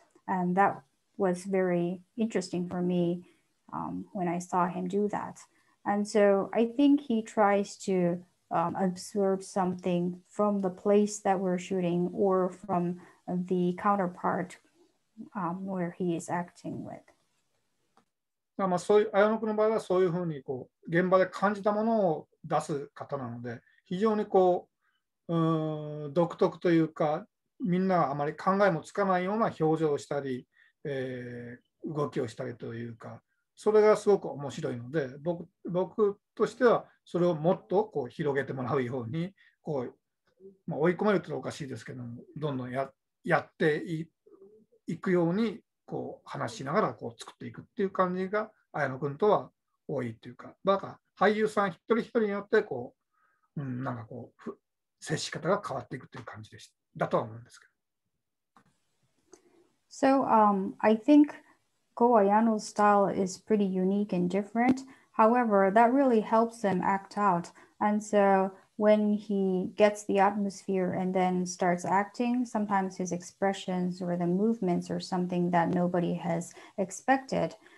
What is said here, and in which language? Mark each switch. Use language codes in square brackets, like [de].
[en] And that was very interesting for me when I saw him do that. And so I think he tries to absorb something from the place that we're shooting or from the counterpart where he is acting with. [ja] そういう綾野君の場合はそういうふうにこう現場で感じたものを出す方なので、非常にこう独特というかみんなあまり考えもつかないような表情をしたり、動きをしたりというか、それがすごく面白いので、僕としてはそれをもっとこう広げてもらうようにこう、まあ、追い込めるとおかしいですけども、どんどん やっていくようにこう話しながらこう作っていくっていう感じが綾野くんとは多いというか、だから俳優さん一人一人によってこう、うん、なんかこう接し方が変わっていくという感じでしただとは思うんですけど。 [en] So, I think Go Ayano's style is pretty unique and different. However, that really helps him act out. And so when he gets the atmosphere and then starts acting, sometimes his expressions or the movements are something that nobody has expected.